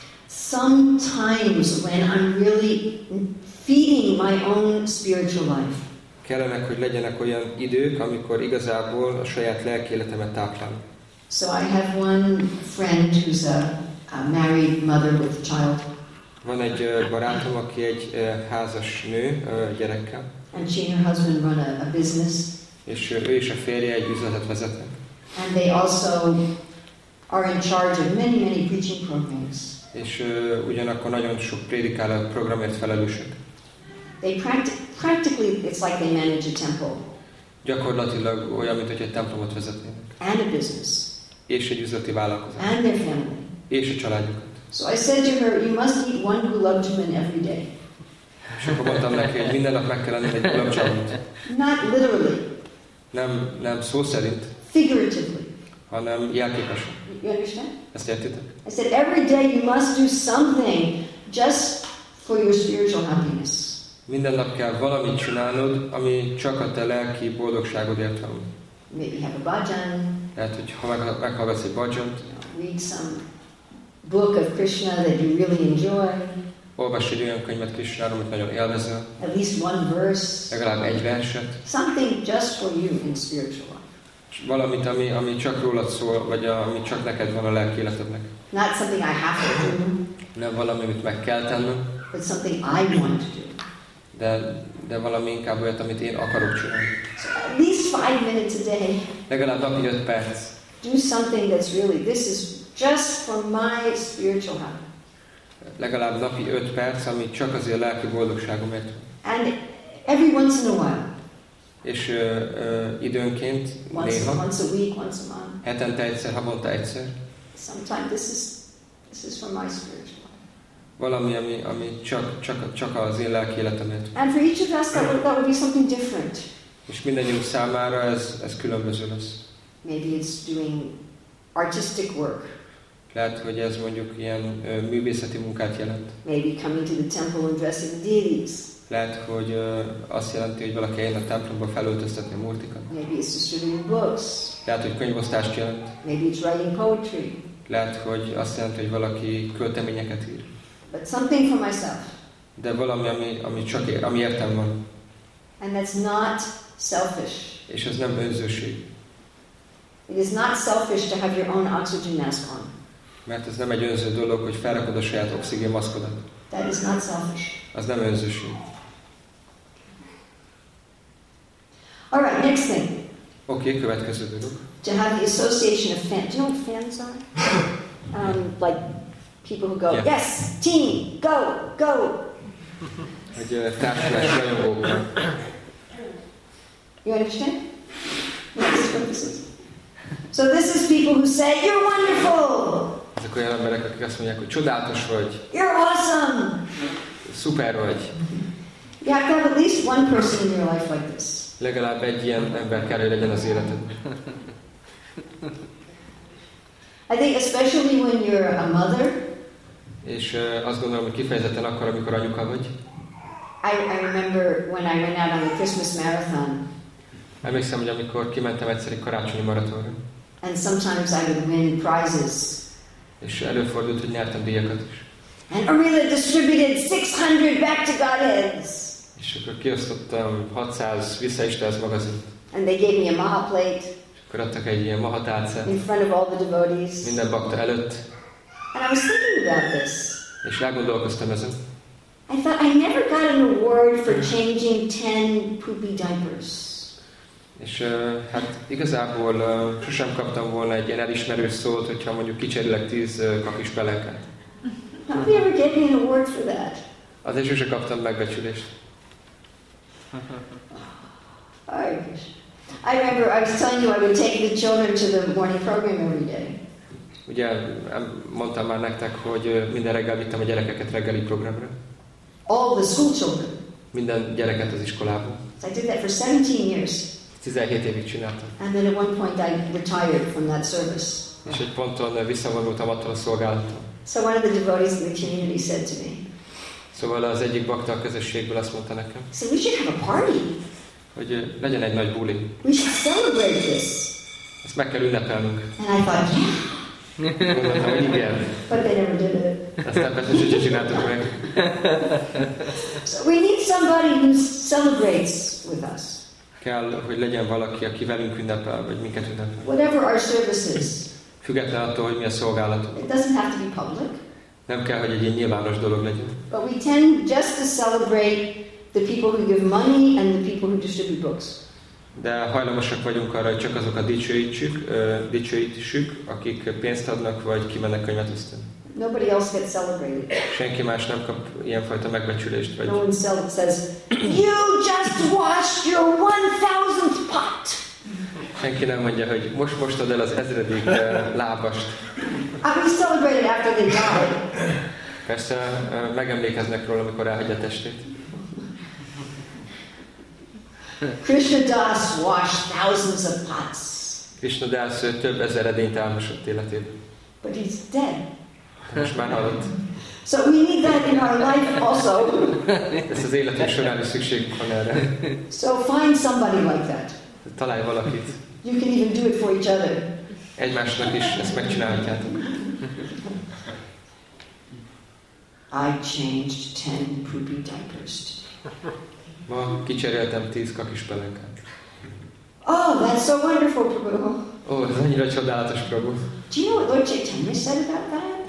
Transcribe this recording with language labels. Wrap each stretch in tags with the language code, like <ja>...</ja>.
<en>Sometimes when I'm really feeding my own spiritual life.</en> <hu>Kellenek, hogy legyenek olyan idők, amikor igazából a saját lelki életemet táplálom.</hu> <en>So I have one friend who's a married mother with a child.</en> <hu>Van egy barátom, aki egy házas nő gyerekkel.</hu> <en>And she and her husband run a business.</en> <hu>És ő és a férje egy üzletet vezetnek.</hu> <en>And they also are in charge of many, many preaching programs.</en> <hu>És ugyanakkor nagyon sok prédikáló programért felelősek.</hu> <en>They practically, it's like they manage a temple.</en> <hu>Gyakorlatilag olyan, mint hogy egy templomot vezetnének.</hu> <en>And a business.</en> <hu>És egy üzleti vállalkozás.</hu> <en>And their family.</en> <hu>És a családjukat.</hu> <en>So I said to her, you must eat one gulabjamun every day.</en> <hu>És akkor mondtam neki, hogy minden nap meg kell enni egy gulabjamunt.</hu> <en>Not literally.</en> <hu>Nem szó szerint.</hu> <en>Figuratively.</en> <hu>Hanem játékosan.</hu> <en>You understand?</en> <hu>Ezt értitek?</hu> <en>I said every day you must do something just for your spiritual happiness.</en> <hu>Minden nap kell valamit csinálnod, ami csak a te lelki boldogságodért van.</hu> <en>Maybe have a bhajan.</en> <hu>Lehet, hogy ha meghallgatsz egy bhajant.</hu> <en>Read some book of Krishna that you really enjoy.</en> <hu>Olvasd egy olyan könyvet Krishnáról, amit nagyon élvezel.</hu> <en>At least one verse.</en> <hu>Legalább egy verset.</hu> <en>Something just for you in spiritual life.</en> <hu>valamit, ami csak rólad szól, vagy ami csak neked van a lelki életednek.</hu> <en>Not something I have to do.</en> <hu>Nem valami, amit meg kell tennem.</hu> <en>But something I want to do.</en> <hu>De valami inkább olyat, amit én akarok csinálni.</hu> <en>So at least 5 minutes a day.</en> <hu>Legalább napi 5 perc.</hu> <en>Do something that's really, this is just for my spiritual health.</en> <hu>Legalább napi 5 perc, ami csak azért a lelki boldogságomért.</hu> <en>And every once in a while.</en> <hu>És időnként,</hu> <en>once,</en> <hu>néha.</hu> <en>Once a week, once a month.</en> <hu>Hetente egyszer, havonta egyszer.</hu> <en>Sometimes this is for my spiritual health.</en> <hu>Valami, ami csak az én lelki életemért.</hu> <en>And for each of us that would be something different.</en> <hu>És mindannyiunk számára ez különböző lesz.</hu> <en>Maybe it's doing artistic work.</en> <hu>Lehet, hogy ez mondjuk ilyen művészeti munkát jelent.</hu> <en>Maybe coming to the temple and dressing the deities.</en> <hu>Lehet, hogy azt jelenti, hogy valaki eljön a templomba felöltöztetni a murtikat.</hu> <en>Maybe it's distributing books.</en> <hu>Lehet, hogy könyvosztást jelent.</hu> <en>Maybe it's writing poetry.</en> <hu>Lehet, hogy azt jelenti, hogy valaki költeményeket ír.</hu> <en>But something for myself.</en> <hu>De valami, ami csak ami értem van.</hu> <en>And that's not selfish.</en> <hu>És ez nem önzőség.</hu> <en>It is not selfish to have your own oxygen mask on.</en> <hu>Mert ez nem egy önző dolog, hogy felrakod a saját oxigénmaszkodat.</hu> <en>That is not selfish.</en> <hu>Az nem önzőség.</hu> <en>All right, next thing.</en> <hu>Oké, okay, következő dolog.</hu> <en>To have the association of fans. Do you know what fans are? Like people who go, yeah. Yes, team, go, go.</en> <hu>Egy társulás rajongók.</hu> <en>You understand? Yes, purposes. So this is people who say, you're wonderful.</en> <hu>Ezek olyan emberek, akik azt mondják, hogy csodálatos vagy.</hu> <en>You're awesome.</en> <hu>Szuper vagy.</hu> <en>You have to have at least one person in your life like this.</en> <hu>Legalább egy ilyen ember kell, hogy legyen az életed.</hu> <en>I think especially when you're a mother.</en> <hu>És azt gondolom, hogy kifejezetten akkor, amikor anyuka vagy.</hu> <en>I remember when I went out on the Christmas marathon.</en> <hu>Emlékszem, hogy amikor kimentem egyszer egy karácsonyi maratonra.</hu> <en>And sometimes I would win prizes.</en> <hu>És előfordult, hogy nyertem díjakat is.</hu> <en>And Arila distributed 600 back to Godheads.</en> <hu>És akkor kiosztottam 600 vissza Istenhez magazint.</hu> <en>And they gave me a maha plate.</en> <hu>És akkor adtak egy ilyen maha tálcát.</hu> <en>In front of all the devotees.</en> <hu>Minden bakta előtt.</hu> <en>And I was thinking about this.</en> <hu>És elgondolkoztam ezen.</hu> <en>I thought I never got an award for changing 10 poopy diapers.</en> <hu>És hát igazából sosem kaptam volna egy ilyen elismerő szót, hogyha mondjuk kicserélek 10 kakis pelenket.</hu> <en>Nobody ever gave me an award for that.</en> <hu>Azért sosem kaptam megbecsülést.</hu> <en>I remember I was telling you I would take the children to the morning program every day.</en> <hu>Ugye mondtam már nektek, hogy minden reggel vittem a gyerekeket reggeli programra.</hu> <en>All the school children.</en> <hu>Minden gyereket az iskolába.</hu> <en>So I did that for 17 years.</en> <hu>17 évig csináltam.</hu> <en>And then at one point I retired from that service.</en> <hu>És egy ponton visszavonultam attól a szolgálattól.</hu> <en>So one of the devotees in the community said to me.</en> <hu>Szóval az egyik bakta a közösségből azt mondta nekem.</hu> <en>So we should have a party.</en> <hu>Hogy legyen egy nagy buli.</hu> <en>We should celebrate this.</en> <hu>Ezt meg kell ünnepelnünk.</hu> <en>And I thought, yeah.</en> <hu>Mondtam, hogy igen.</hu> <en>But they never did it.</en> <hu>Aztán persze, hogy csináltuk meg.</hu> <en>So we need somebody who celebrates with us.</en> <hu>Kell, hogy legyen valaki, aki velünk ünnepel, vagy minket ünnepel.</hu> <en>Whatever our services.</en> <hu>Független attól, hogy mi a szolgálatunk.</hu> <en>It doesn't have to be public.</en> <hu>Nem kell, hogy egy ilyen nyilvános dolog legyen.</hu> <en>But we tend just to celebrate the people who give money and the people who distribute books.</en> <hu>De hajlamosak vagyunk arra, hogy csak azok a dicsőítsük, akik pénzt adnak, vagy kimennek könyvet osztani.</hu> <en>Nobody else gets celebrated.</en> <hu>Senki más nem kap ilyenfajta megbecsülést. Vagy...</hu> <en>No one celebrates. Says, you just washed your 1,000th pot.</en> <hu>Senki nem mondja, hogy most ad el az ezredik lábast.</hu> <en>I will celebrate it after they die.</en> <hu>Persze megemlékeznek róla, amikor elhagyja a testét.</hu> <en>Krishna Das washed thousands of pots.</en> <hu>Krishna Das több ezer edényt elmosott életében.</hu> <en>But he's dead.</en> <hu>Most már halott.</hu> <en>So we need that in our life also.</en> <hu>Ez az életünk során is szükségünk van erre.</hu> <en>So find somebody like that.</en> <hu>Találj valakit.</hu> <en>You can even do it for each other.</en> <hu>Egymásnak is ezt megcsinálhatjátok.</hu> <en>I changed 10 poopy diapers.</en> <hu>Ma kicseréltem 10 kakis pelenkát.</hu> <en>Oh, that's so wonderful, Prabhu.</en> <hu>Oh, ez annyira csodálatos, Prabhu.</hu> <en>Do you know what Lord Chaitanya said about that?</en>